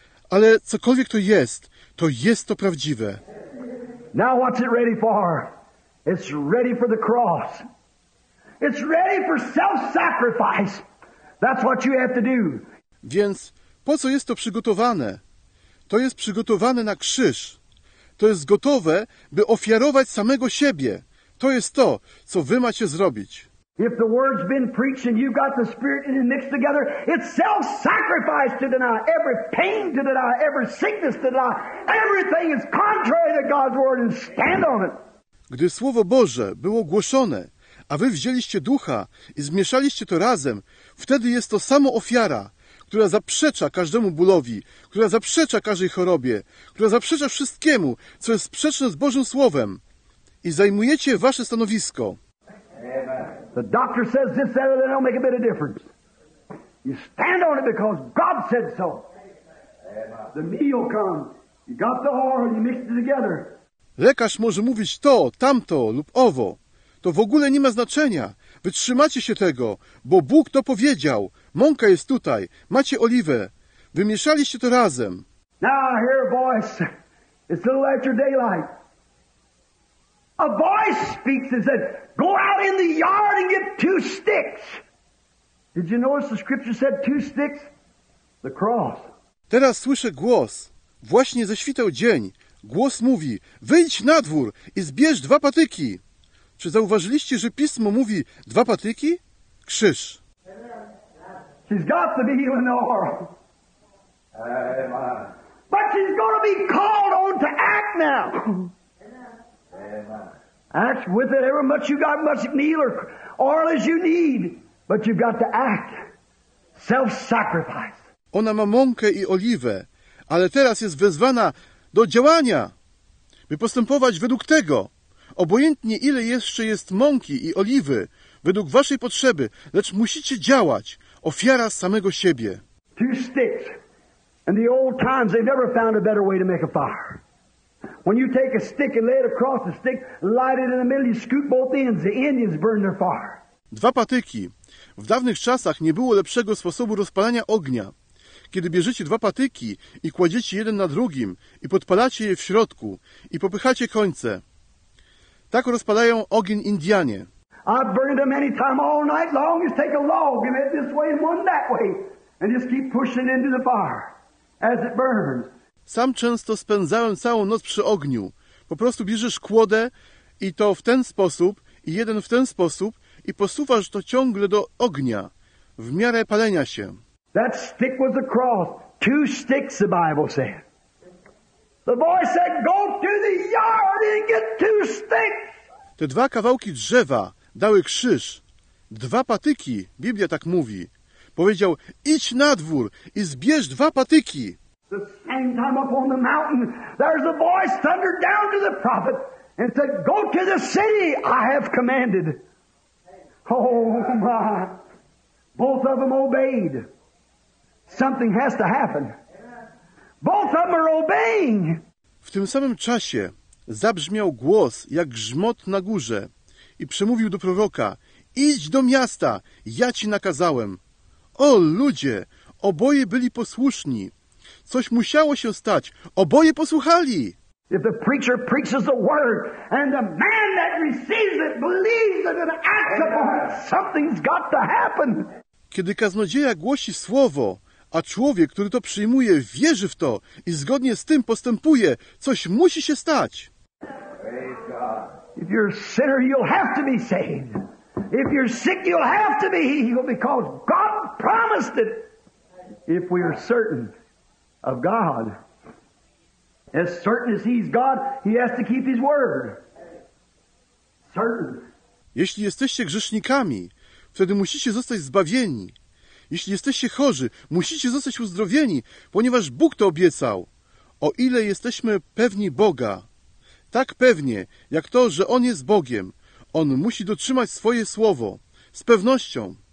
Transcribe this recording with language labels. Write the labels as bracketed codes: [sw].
[pl] Ale cokolwiek to jest, to jest to prawdziwe. [en] Now what's it ready for? It's ready for the cross. It's ready for self-sacrifice. That's what you have to do. [pl] Więc po co jest to przygotowane? To jest przygotowane na krzyż. To jest gotowe, by ofiarować samego siebie. To jest to, co wy macie zrobić. [en] If the word's been preached and you've got the spirit in it mixed together, it's self-sacrifice to deny every pain, to deny every sickness, to deny everything is contrary to God's word and stand on it. [pl] Gdy Słowo Boże było głoszone, a wy wzięliście ducha i zmieszaliście to razem, wtedy jest to samo ofiara, która zaprzecza każdemu bólowi, która zaprzecza każdej chorobie, która zaprzecza wszystkiemu, co jest sprzeczne z Bożym Słowem. I zajmujecie wasze stanowisko. [en] The doctor says this, that, and it'll make a bit of difference. You stand on it because God said so. The meal comes. You got the oil and you mix it together. [pl] Lekarz może mówić to, tamto lub owo. To w ogóle nie ma znaczenia. Wytrzymacie się tego, bo Bóg to powiedział. Mąka jest tutaj. Macie oliwę. Wymieszaliście to razem. [en] Now I hear a voice. It's a little after daylight. A voice speaks and said, go out in the yard and get two sticks. Did you notice the scripture said two sticks? The cross. [pl] Teraz słyszę głos. Właśnie zaświtał dzień. Głos mówi, wyjdź na dwór i zbierz dwa patyki. Czy zauważyliście, że Pismo mówi dwa patyki? Krzyż. [en] She's got to be in the oil. But she's going to be called on to act now. Act with it, however much you got, much meal or oil as you need. But you've got to act. Self-sacrifice. [pl] Ona ma mąkę i oliwę, ale teraz jest wezwana do działania, by postępować według tego. Obojętnie ile jeszcze jest mąki i oliwy, według waszej potrzeby, lecz musicie działać, ofiara samego siebie. [en] Two sticks. In the old times, they never found a better way to make a fire. When you take a stick and lay it across the stick, light it in the middle, you scoop both ends. The Indians burn their fire. [pl] Dwa patyki. W dawnych czasach nie było lepszego sposobu rozpalania ognia. Kiedy bierzecie dwa patyki i kładziecie jeden na drugim i podpalacie je w środku i popychacie końce. Tak rozpalają ogień Indianie. [en] I've burned them any time all night long. Just take a log and it this way and one that way. And just keep pushing into the fire as it burns. [pl] Sam często spędzałem całą noc przy ogniu. Po prostu bierzesz kłodę i to w ten sposób i jeden w ten sposób i posuwasz to ciągle do ognia w miarę palenia się. [en] That stick was a cross. Two sticks, the Bible said. The boy said, go to the yard and get two sticks. [pl] Te dwa kawałki drzewa dały krzyż. Dwa patyki, Biblia tak mówi. Powiedział, idź na dwór i zbierz dwa patyki. [en] The same time up on the mountain, there's a voice thundered down to the prophet and said, go to the city I have commanded. Oh my, both of them obeyed. Something has to happen. Both of them are obeying. [pl] W tym samym czasie zabrzmiał głos jak grzmot na górze i przemówił do proroka, idź do miasta, ja ci nakazałem. O ludzie, oboje byli posłuszni. Coś musiało się stać. Oboje posłuchali. [en] If the preacher preaches the word and the man that receives it believes it and acts upon it, something's got to happen. [pl] Kiedy kaznodzieja głosi słowo, a człowiek, który to przyjmuje, wierzy w to i zgodnie z tym postępuje, coś musi się stać. [en] If you're a sinner, you'll have to be saved. If you're sick, you'll have to be healed because God promised it. If we are certain of God, as certain as He's God, He has to keep His word. Certain. [pl] Jeśli jesteście grzesznikami, wtedy musicie zostać zbawieni. Jeśli jesteście chorzy, musicie zostać uzdrowieni, ponieważ Bóg to obiecał. O ile jesteśmy pewni Boga, tak pewnie, jak to, że On jest Bogiem, On musi dotrzymać swoje słowo, z pewnością.